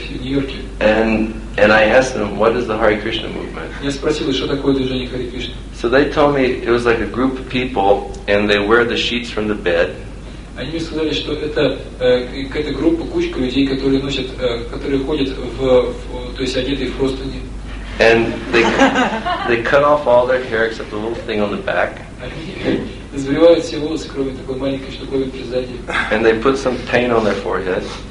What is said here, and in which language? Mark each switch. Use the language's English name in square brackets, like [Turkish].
[English] And I asked them, what is the Hare Krishna movement? So they told me it was like a group of people and they wear the sheets from the bed. [Russian] Они мне сказали, что это какая-то группа, кучка людей, которые носят, которые ходят то есть одетые в простыни. [English] And they cut off all their hair except the little thing on the back. And they put some paint on their forehead.